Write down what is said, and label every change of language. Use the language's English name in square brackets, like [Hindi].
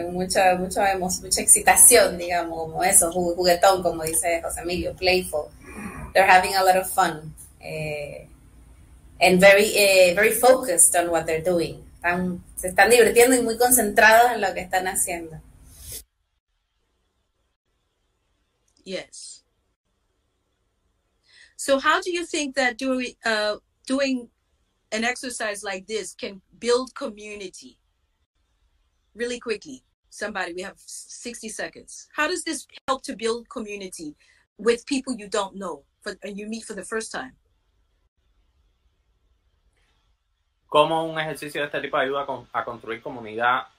[Spanish] Mucha excitación, digamos, como eso, juguetón, como dice José Emilio, playful. [English] They're having a lot of fun. And very very focused on what they're doing. [Spanish] Se están divirtiendo y muy concentrados en lo que están haciendo. [English] Yes. So how do you think that doing an exercise like this can build community? Really quickly, somebody, we have 60 seconds. How does this help to build community with people you don't know and you meet for the first time? [Spanish] cómo un ejercicio de este tipo ayuda a construir comunidad.